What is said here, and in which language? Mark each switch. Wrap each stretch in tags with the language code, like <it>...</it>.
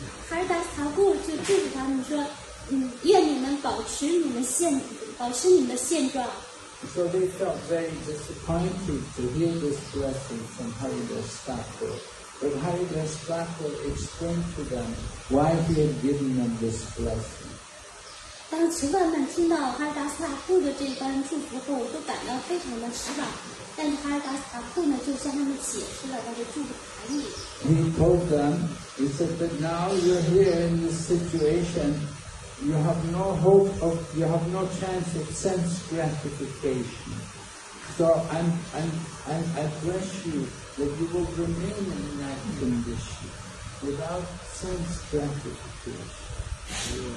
<zh>Haridas Thakur 就祝福他们说，愿你们保持你们现状。</zh> <en>So they felt very disappointed to hear this blessing from Haridas Thakur. But Haridas Thakur explained to them why he had given them this blessing.</en> <zh>当慈万们听到哈达斯塔库的这一番祝福后，都感到非常的失望。但是哈达斯塔库呢，就向他们解释了他的祝福含义。</zh> <en>He told them, he said that now you're here in this situation, you have no hope of, you have no chance of sense gratification. So I bless you that you will remain in that condition without sense gratification.</en>